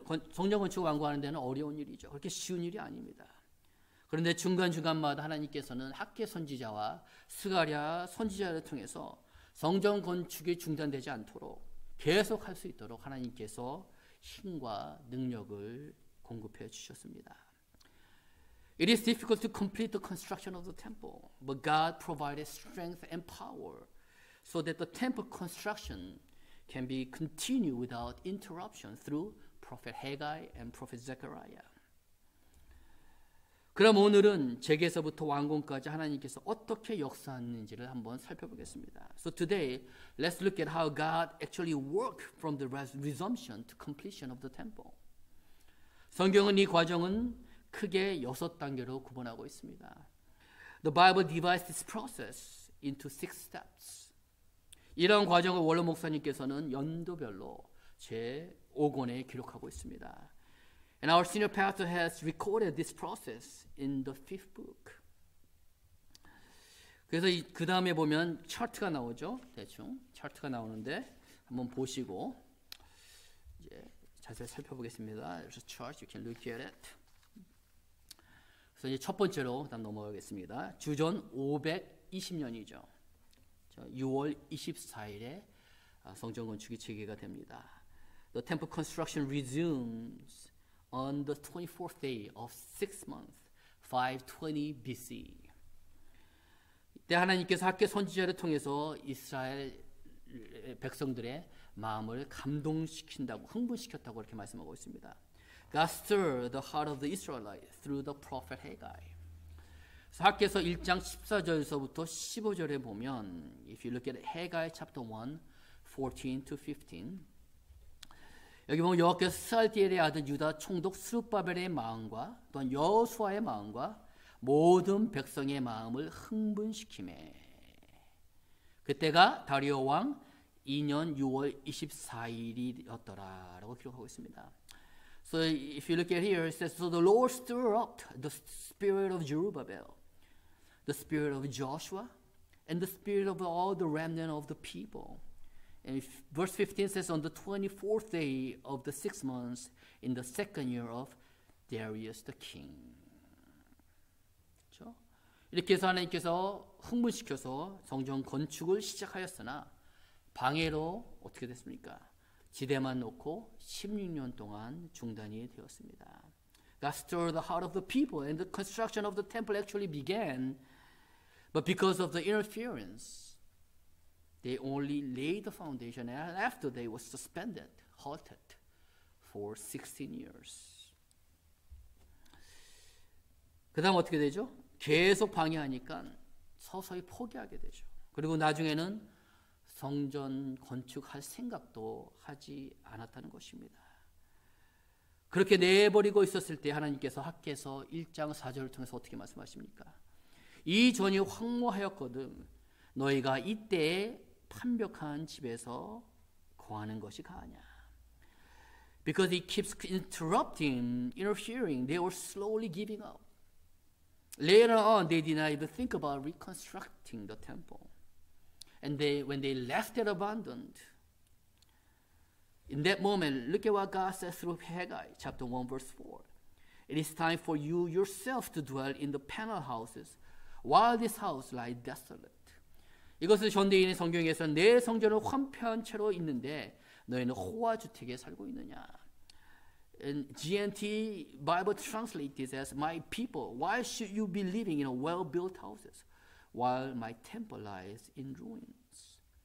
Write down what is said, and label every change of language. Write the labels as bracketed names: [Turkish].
[Korean] 성전 건축 완공하는 데는 어려운 일이죠. 그렇게 쉬운 일이 아닙니다. 그런데 중간중간마다 하나님께서는 학개 선지자와 스가랴 선지자를 통해서 성전 건축이 중단되지 않도록 계속 할 수 있도록 하나님께서 힘과 능력을 공급해 주셨습니다. [English] It is difficult to complete the construction of the temple, but God provided strength and power so that the temple construction can be continued without interruption through Prophet Haggai and Prophet Zechariah. [Korean] 그럼 오늘은 재개서부터 완공까지 하나님께서 어떻게 역사하는지를 한번 살펴보겠습니다. [English] So today, let's look at how God actually worked from the resumption to completion of the temple. [Korean] 성경은 이 과정은 크게 여섯 단계로 구분하고 있습니다. [English] The Bible divides this process into six steps. [Korean] 이런 과정을 원로 목사님께서는 연도별로 제5권에 기록하고 있습니다. [English] And our senior pastor has recorded this process in the fifth book. [Korean] 그래서 그 다음에 보면 차트가 나오죠. 대충 차트가 나오는데 한번 보시고 이제 자세히 살펴보겠습니다. [English] There's a chart, you can look at it. [Korean] 그래서 이제 첫 번째로 다음 넘어가겠습니다. 주전 520년이죠. 6월 24일에 성전 건축이 재개가 됩니다. [English] The temple construction resumes on the 24th day of 6th month, 520 BC. [Korean] 이때 하나님께서 학개 선지자를 통해서 이스라엘 백성들의 마음을 감동시킨다고, 흥분시켰다고 이렇게 말씀하고 있습니다. [English] God stirred the heart of the Israelites through the prophet Haggai. [Korean] 학개서 1장 14절에서부터 15절에 보면 [English] If you look at Haggai chapter 1, 14 to 15 [Korean] 여기 보면 여호와께서 스알디엘의 아들 유다 총독 스룹바벨의 마음과 또한 여호수아의 마음과 모든 백성의 마음을 흥분시키매 그때가 다리오 왕 2년 6월 24일이었더라 라고 기록하고 있습니다. [English] So if you look at here, it says So the Lord stirred up the spirit of Zerubbabel, the spirit of Joshua, and the spirit of all the remnant of the people. And verse 15 says, on the 24th day of the 6th month, in the second year of Darius the king. [Korean] 그렇죠? 이렇게 해서 하나님께서 흥분시켜서 성전 건축을 시작하였으나 방해로 어떻게 됐습니까? 지대만 놓고 16년 동안 중단이 되었습니다. [English] God stirred the heart of the people and the construction of the temple actually began But because of the interference, they only laid the foundation and after they were suspended, halted for 16 years. [Korean] 그 다음 어떻게 되죠? 계속 방해하니까 서서히 포기하게 되죠. 그리고 나중에는 성전 건축할 생각도 하지 않았다는 것입니다. 그렇게 내버리고 있었을 때 하나님께서 학개서 1장 4절을 통해서 어떻게 말씀하십니까? 이 전이 황무하였거든 너희가 이때 판벽한 집에서 거하는 것이 가냐 [English] Because he keeps interrupting, interfering, they were slowly giving up. Later on, they did not even think about reconstructing the temple. And they, when they left it abandoned, in that moment, look at what God says through Haggai, chapter 1, verse 4. It is time for you yourself to dwell in the panel houses while this house lies desolate. [Korean] 이것을 전대인의 성경에서 내 성전은 황폐한 채로 있는데 너희는 호화 주택에 살고 있느냐. [English] And GNT Bible translates this as, My people, why should you be living in a well-built houses while my temple lies in ruins?